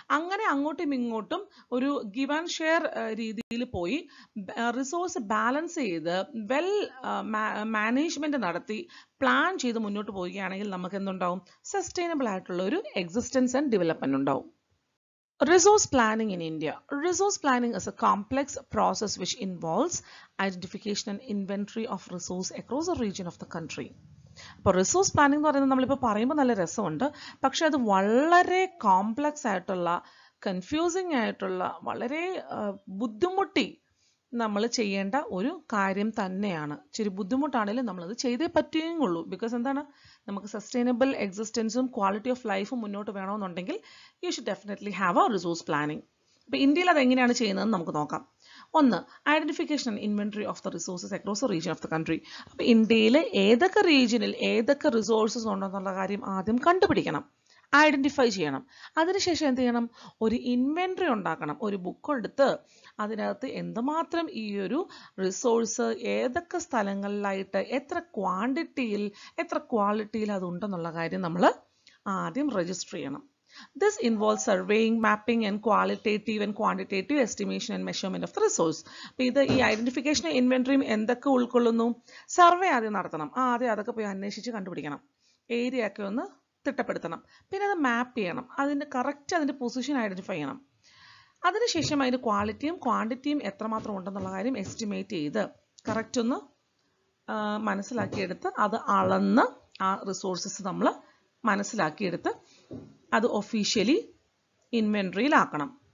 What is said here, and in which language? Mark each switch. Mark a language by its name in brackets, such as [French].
[Malayalam] അങ്ങനെ അങ്ങോട്ടും ഇങ്ങോട്ടും ഒരു ഗിവ് ആൻഡ് ഷെയർ രീതിയിൽ പോയി റിസോഴ്സ് ബാലൻസ് ചെയ്ത് വെൽ മാനേജ്മെൻറ്റ് നടത്തി പ്ലാൻ ചെയ്ത് മുന്നോട്ട് പോവുകയാണെങ്കിൽ നമുക്ക് എന്തുണ്ടാവും? സസ്റ്റൈനബിൾ ആയിട്ടുള്ള ഒരു എക്സിസ്റ്റൻസ് ആൻഡ് ഡെവലപ്മെൻറ്റ് ഉണ്ടാവും. [English] Resource planning in India. Resource planning is a complex process which involves identification and inventory of resource across a region of the country. [Malayalam] അപ്പോൾ റിസോഴ്സ് പ്ലാനിംഗ് എന്ന് പറയുന്നത് നമ്മളിപ്പോൾ പറയുമ്പോൾ നല്ല രസമുണ്ട്, പക്ഷേ അത് വളരെ കോംപ്ലക്സ് ആയിട്ടുള്ള, കൺഫ്യൂസിങ് ആയിട്ടുള്ള, വളരെ ബുദ്ധിമുട്ടി നമ്മൾ ചെയ്യേണ്ട ഒരു കാര്യം തന്നെയാണ്. ഇച്ചിരി ബുദ്ധിമുട്ടാണെങ്കിലും നമ്മളത് ചെയ്തേ പറ്റുകയുള്ളൂ. ബിക്കോസ് എന്താണ്, നമുക്ക് സസ്റ്റൈനബിൾ എക്സിസ്റ്റൻസും ക്വാളിറ്റി ഓഫ് ലൈഫും മുന്നോട്ട് വേണമെന്നുണ്ടെങ്കിൽ [English] You should definitely have a resource planning. [Malayalam] ഇപ്പോൾ ഇന്ത്യയിൽ അതെങ്ങനെയാണ് ചെയ്യുന്നതെന്ന് നമുക്ക് നോക്കാം. ഒന്ന്, [English] Identification and inventory of the resources across the region of the country. [Malayalam] അപ്പോൾ ഇന്ത്യയിലെ ഏതൊക്കെ റീജിയനിൽ ഏതൊക്കെ റിസോഴ്സസ് ഉണ്ടെന്നുള്ള കാര്യം ആദ്യം കണ്ടുപിടിക്കണം, ഐഡൻറ്റിഫൈ ചെയ്യണം. അതിനുശേഷം എന്ത് ചെയ്യണം? ഒരു ഇൻവെൻട്രി ഉണ്ടാക്കണം, ഒരു ബുക്ക് എടുത്ത് അതിനകത്ത് എന്തുമാത്രം ഈ ഒരു റിസോഴ്സ് ഏതൊക്കെ സ്ഥലങ്ങളിലായിട്ട് എത്ര ക്വാണ്ടിറ്റിയിൽ എത്ര ക്വാളിറ്റിയിൽ അതുണ്ടെന്നുള്ള കാര്യം നമ്മൾ ആദ്യം രജിസ്റ്റർ ചെയ്യണം. [English] This involves surveying, mapping and qualitative and quantitative estimation and measurement of the resource. [Malayalam] അപ്പോൾ ഇത് ഈ ഐഡൻറ്റിഫിക്കേഷനും ഇൻവെൻട്രിയും എന്തൊക്കെ ഉൾക്കൊള്ളുന്നു? സർവേ ആദ്യം നടത്തണം, ആദ്യം അതൊക്കെ പോയി അന്വേഷിച്ച് കണ്ടുപിടിക്കണം, ഏരിയ ഒക്കെ ഒന്ന് തിട്ടപ്പെടുത്തണം, പിന്നെ അത് മാപ്പ് ചെയ്യണം, അതിൻ്റെ കറക്റ്റ് അതിൻ്റെ പൊസിഷൻ ഐഡൻറ്റിഫൈ ചെയ്യണം. അതിനുശേഷം അതിൻ്റെ ക്വാളിറ്റിയും ക്വാണ്ടിറ്റിയും എത്രമാത്രം ഉണ്ടെന്നുള്ള കാര്യം എസ്റ്റിമേറ്റ് ചെയ്ത് കറക്റ്റ് ഒന്ന് മനസ്സിലാക്കിയെടുത്ത് അത് അളന്ന് ആ റിസോഴ്സസ് നമ്മൾ മനസ്സിലാക്കിയെടുത്ത് അത് ഒഫീഷ്യലി ഇൻവെൻട്രിയിലാക്കണം.